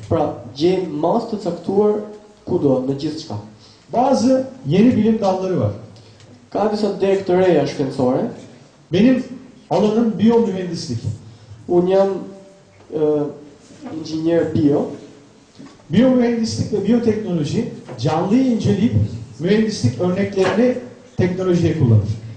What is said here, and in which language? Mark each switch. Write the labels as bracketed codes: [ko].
[sq] Pra, gjejmë mas të caktuar kudo, në gjithçka. [tr] Bazı yeni bilim dalları var. [sq] Ka disa dek të reja shkencore. [tr] Benim alanım biomühendislik. [sq] Unë jam inxhinier bio. [tr] Biomühendislik ve bioteknoloji canlıyı inceleyip mühendislik örneklerini teknolojiye kullanır.